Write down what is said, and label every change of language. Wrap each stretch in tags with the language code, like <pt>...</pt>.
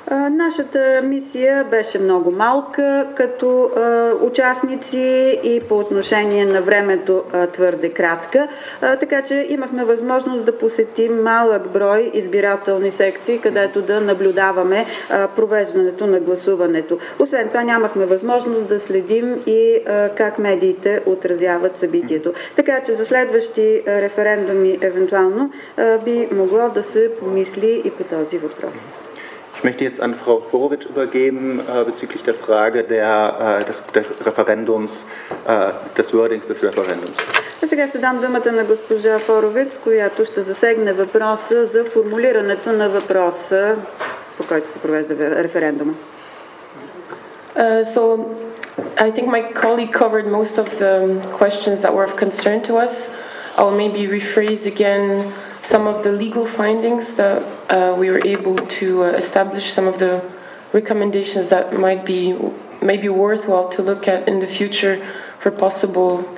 <bg>Нашата мисия беше много малка като участници и по отношение на времето твърде кратка, така че имахме възможност да посетим малък брой избирателни секции, където да наблюдаваме провеждането на гласуването. Освен това нямахме възможност да следим и как медиите отразяват събитието. Така че за следващи референдуми евентуално би могло да се помисли и по този въпрос.</bg> <de>Ich möchte jetzt an Frau Forowitsch übergeben bezüglich der Frage des Referendums, des Wordings des Referendums.</de> <bg>Сега ще дам думата на госпожа Форовиц, която ще засегне въпроса за формулирането на въпроса, по който се провежда референдума.</bg> <en>So I think my colleague covered most of the questions that were of concern to us. I'll maybe rephrase again some of the legal findings that we were able to establish, some of the recommendations that might be maybe worthwhile to look at in the future for possible</en>